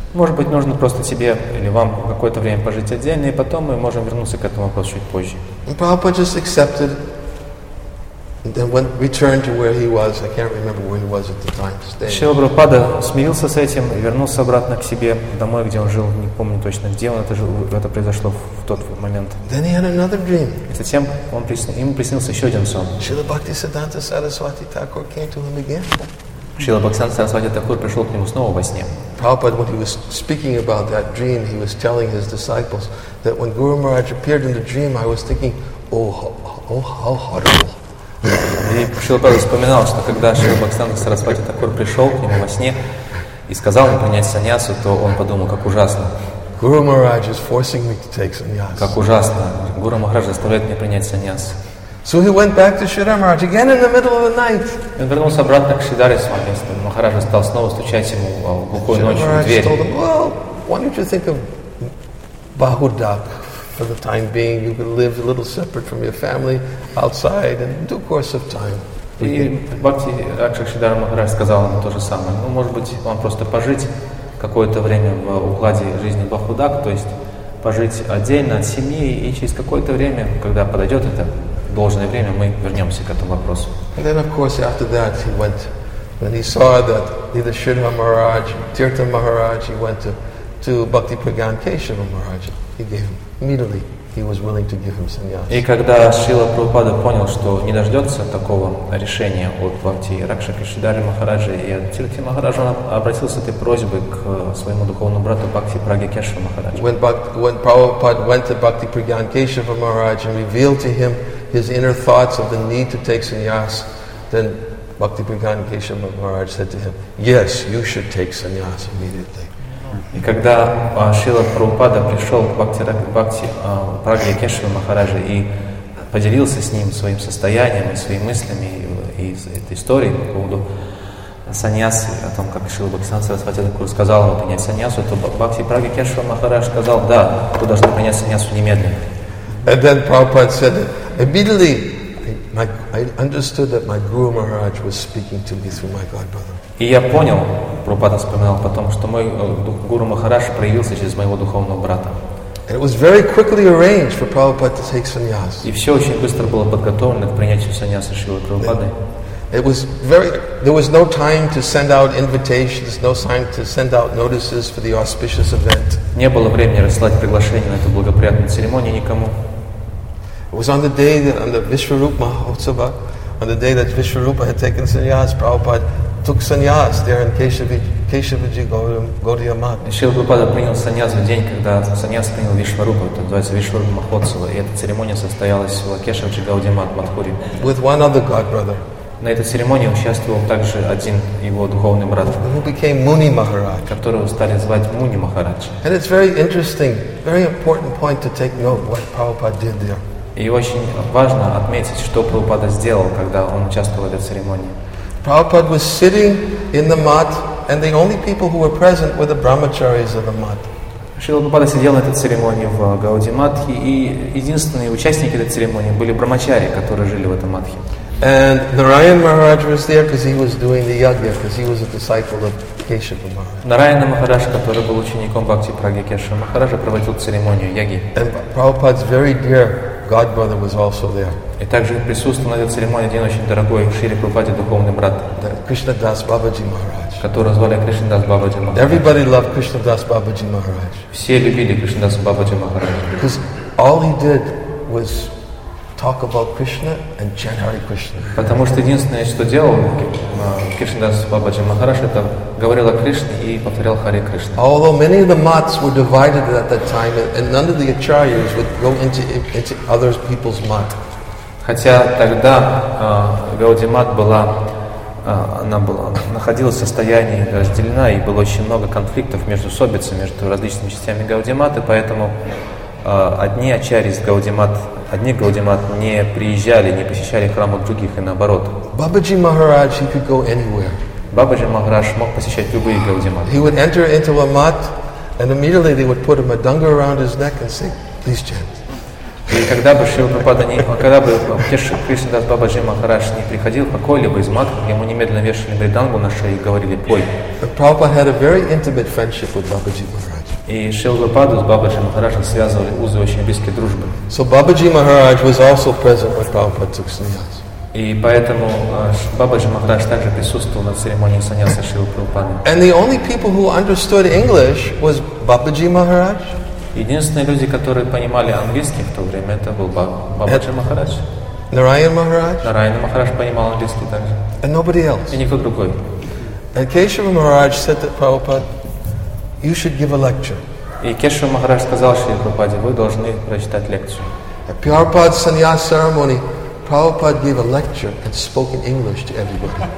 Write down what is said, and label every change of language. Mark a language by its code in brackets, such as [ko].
[ru] Может быть, нужно просто тебе или вам какое-то время пожить отдельно, и потом мы можем вернуться к этому вопросу чуть позже. [en] And Prabhupada just accepted and then went, returned to where he was. I can't remember where he was at the time. [ru] Шрила Прабхупада смирился с этим и вернулся обратно к себе домой, где он жил. Не помню точно, где он это жил. Это произошло в тот момент. [en] Then he had another dream. [ru] И затем ему приснился еще один сон. [en] Шрила Бхактисиддханта Сарасвати Такур came to him again. [ru] Шрила Бхактисиддханта Сарасвати Такур пришел к нему снова во сне. [en] Prabhupada, when he was speaking about that dream, he was telling his disciples that when Guru Maharaj appeared in the dream, I was thinking, how horrible. [ru] И Шрила Прабхупада вспоминал, что когда Шрила Бхактисиддханта Сарасвати Такур пришел к нему во сне и сказал ему принять саньясу, то он подумал, как ужасно. [en] Guru Maharaj is forcing me to take sannyas. [ru] Как ужасно. Гуру Махарадж заставляет меня принять саньяс. [en] So he went back to Shri Ramaraj again in the middle of the night. [ru] Он вернулся обратно к Шридхаре Свами. Махарадж стал снова стучать ему глухой ночью в дверь. [en] Told him, well, why don't you think of Bahudak for the time being? You could live a little separate from your family outside in due course of time. [ru] И Бхакти Ракшак Шридхара Махарадж сказал ему то же самое. Ну, может быть, вам просто пожить какое-то время в укладе жизни Бахудак, то есть пожить отдельно от семьи, и через какое-то время, когда подойдет это должное время, мы вернемся к этому вопросу. [en] And then, of course, after that, he went, when he saw that either Shrila Maharaj, Tirtha Maharaj, he went to Bhakti Pragyan Keshava Maharaj. He gave him immediately. He was willing to give him sannyas. [ru] И когда Шрила Прабхупада понял, что не дождется такого решения от Бхакти Ракшака Шридхары Махараджа и от Тирти Махараджа, он обратился с этой просьбой к своему духовному брату Бхакти Прагья Кешава Махараджа. [en] When Prabhupada went to Bhakti Pragyan Keshava Maharaj and revealed to him his inner thoughts of the need to take sannyas, then Bhakti Pragyan Keshava Maharaj said to him, yes, you should take sannyas immediately. [ru] И когда Шрила Прабхупада пришел к Бхакти Прагья Кешава Махараджа и поделился с ним своим состоянием и своими мыслями и этой историей по поводу саньясы, о том, как Шрила Бхактисиддханта Сарасвати Такур сказал ему принять саньясу, то Бхакти Прагья Кешава Махарадж сказал, да, вы должны принять саньясу немедленно. [en] And then Prabhupada said, immediately, I understood that my Guru Maharaj was speaking to me through my godbrother. [ru] И я понял, Прабхупада вспоминал потом, что мой Гуру Махарадж проявился через моего духовного брата. [en] And it was very quickly arranged for Prabhupada to take sannyas. [ru] И все очень быстро было подготовлено к принятию саньясы Шрилы Прабхупады. [en] There was no time to send out invitations, no time to send out notices for the auspicious event. [ru] Не было времени рассылать приглашение на эту благоприятную церемонию никому. [en] It was on the day that on the Vishwarupa Mahotsava, on the day that Vishwarupa had taken sannyas, Prabhupada took sannyas there in Keshavaji Gaudiya Math. [ru] Шрила Прабхупада принял саньяс в день, когда саньяс принял Вишварупу, это называется Вишварупа Махотсава, и эта церемония состоялась в Кешавджи Гаудия Мат, Мадхури. [en] With one other god brother. [ru] На этой церемонии участвовал также один его духовный брат, [en] who became Muni Maharaj. [ru] Которого стали звать Муни Махарадж. [en] And it's very interesting, very important point to take note what Prabhupada did there. [ru] И очень важно отметить, что Прабхупада сделал, когда он участвовал в этой церемонии. [en] Prabhupada was sitting in the mat, and the only people who were present were the brahmacharis of the mat. [ru] Шрила Прабхупада сидел на этой церемонии в Гауди Матхе, и единственные участники этой церемонии были брамачари, которые жили в этом матхе. [en] And Narayan Maharaj was there because he was doing the yajna, because he was a disciple of Keshava Maharaj. [ru] Narayana Maharaj, который был учеником Бхакти Праги Кешава Махараджа, проводил церемонию яги. [en] And Prabhupada's very dear god brother was also there. [ru] И также присутствовал на этой церемонии один очень дорогой Шри Прабхупаде духовный брат, Кришна Дас Бабаджи Махарадж, которого звали Кришна Дас Бабаджи Махарадж. [en] Everybody loved Кришна Дас Бабаджи Махарадж. [ru] Все любили Кришна Дас Бабаджи Махарадж. [en] Because all he did was talk about Krishna and chant Hare Krishna. [ru] Потому что единственное, что делал Кришна Дас Бабаджи Махарадж, это говорил о Кришне и повторял Харе Кришна. [en] Although many of the mats were divided at that time, and none of the acharyas would go into other people's mat. [ru] Хотя тогда Гауди Мат была, она была, находилась в состоянии разделена, и было очень много конфликтов между собицами, между различными частями Гауди Маты, поэтому одни ачарьи из Гауди Мат, одни Гауди Мат не приезжали, не посещали храмы других, и наоборот. [en] Бабаджи Махарадж, he could go anywhere. [ru] Бабаджи Махарадж мог посещать любые Гауди Маты. [en] He would enter into a mat, and immediately they would put a madanga around his neck and say, please chant. [ru] И когда бы Шрила Прабхупада не, когда бы Кришна Дас Бабаджи Махарадж не приходил какой-либо из мат, ему немедленно вешали мридангу на шею и говорили пой. [en] Prabhupada had a very intimate friendship with Бабаджи Махарадж. [ru] И Шрила Прабхупаду с Бабаджи Махараджем связывали узы очень близкой дружбы. [en] So Бабаджи Махарадж was also present when Prabhupada took sannyas. [ru] И поэтому Бабаджи Махарадж также присутствовал на церемонии саньяса Шрилы Прабхупады. [en] And the only people who understood English was Бабаджи Махарадж. [ru] Единственные люди, которые понимали английский в то время, это был Бабаджи Махарадж. Нараян Махарадж. Нараян Махарадж понимал английский также. [en] And nobody else. [ru] И никто другой. [en] And Кешава Махарадж said that Prabhupada, you should give a lecture. [ru] И Кешава Махарадж сказал Шри Прабхупаде, вы должны прочитать лекцию. [en] At Prabhupada's sannyas ceremony, Prabhupada gave a lecture and spoke in English to everybody.